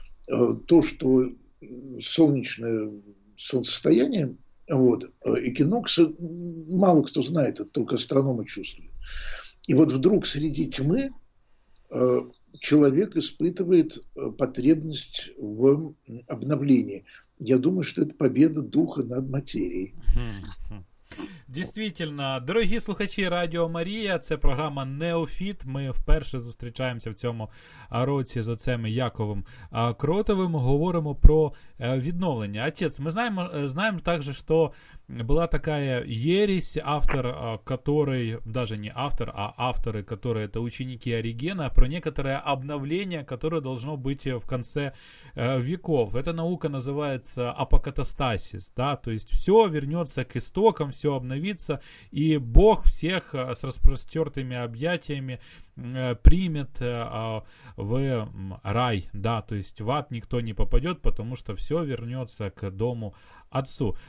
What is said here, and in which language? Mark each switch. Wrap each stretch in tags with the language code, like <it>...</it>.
<ru>То, что солнечное солнцестояние, вот, экинокса, мало кто знает, это только астрономы чувствуют. И вот вдруг среди тьмы человек испытывает потребность в обновлении. Я думаю, что это победа духа над материей. Действительно,</ru> <uk>дорогі слухачі Радіо Марія, це програма «Неофіт». Ми вперше зустрічаємося в цьому році з отцем Яковом Кротовим. Говоримо про відновлення. Отець, ми знаємо також, що була така єресь,</uk> <ru>автор которой, даже не автор, а автори, которые это ученики Оригена, про некоторое обновление, которое должно быть в конце веков. Эта наука называется апокатастасис, да, то есть все вернется к истокам, все обновится, и Бог всех с распростертыми объятиями примет в рай, да, то есть в ад никто не попадет, потому что все вернется к дому отцу.</ru>